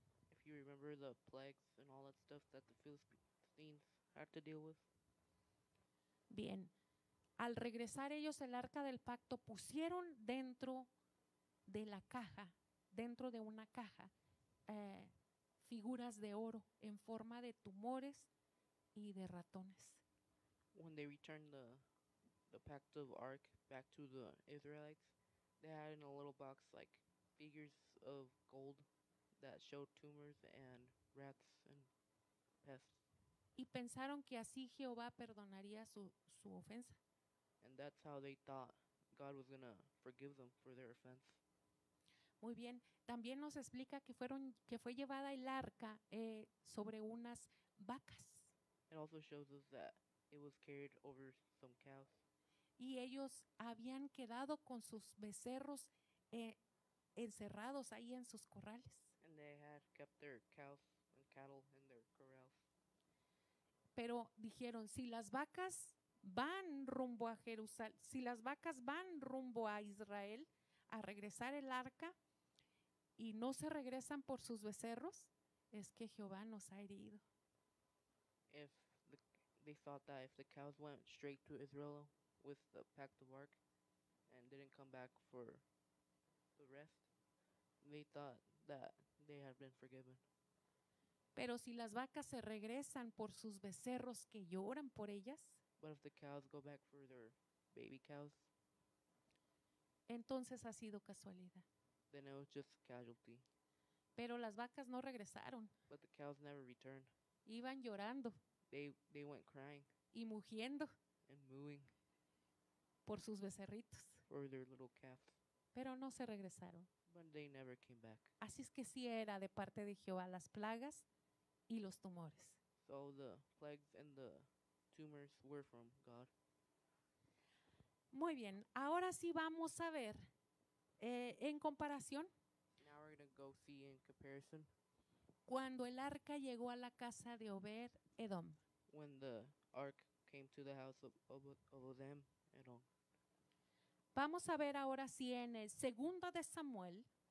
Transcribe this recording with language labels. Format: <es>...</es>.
<en>If you remember the plagues and all that stuff that the Philistines had to deal with.</en> <es>Bien, al regresar ellos el arca del pacto pusieron dentro de la caja, dentro de una caja, figuras de oro en forma de tumores y de ratones.</es> <en>When they returned the pact of ark back to the Israelites, they had in a little box like figures of gold that showed tumors and rats and pests.</en> <es>Y pensaron que así Jehová perdonaría su ofensa.</es> <en>And that's how they thought God was going to forgive them for their offense.</en> <es>Muy bien, también nos explica que fue llevada el arca sobre unas vacas.</es> <en>It also shows us that it was carried over some cows.</en> <es>Y ellos habían quedado con sus becerros encerrados ahí en sus corrales.</es> <en>And they had kept their cows and cattle in their corrals.</en> <es>Pero dijeron, si las vacas van rumbo a Jerusalén, si las vacas van rumbo a Israel a regresar el arca y no se regresan por sus becerros, es que Jehová nos ha herido.</es> <en>If they thought that if the cows went straight to Israel with the pact of ark and didn't come back for the rest, they thought that they had been forgiven.</en> <es>Pero si las vacas se regresan por sus becerros que lloran por ellas,</es> <en>but if the cows go back for their baby cows,</en> <es>entonces ha sido casualidad.</es> <en>Then it was just casualty.</en> <es>Pero las vacas no regresaron.</es> <en>But the cows never returned.</en> <es>Iban llorando.</es> <en>They went crying.</en> <es>Y mugiendo.</es> <en>And mooing.</en> <es>Por sus becerritos.</es> <en>For their little calves.</en> <es>Pero no se regresaron.</es> <en>But they never came back.</en> <es>Así es que sí era de parte de Jehová las plagas y los tumores.</es> <en>So the plagues and the tumors were from God.</en> <es>Muy bien, ahora sí vamos a ver en comparación.</es> <en>Now we're going to go see in comparison.</en> <es>Cuando el arca llegó a la casa de Obed-Edom.</es> <en>When the ark came to the house of Obed-Edom.</en> <es>Vamos a ver ahora sí en el segundo de Samuel.</es>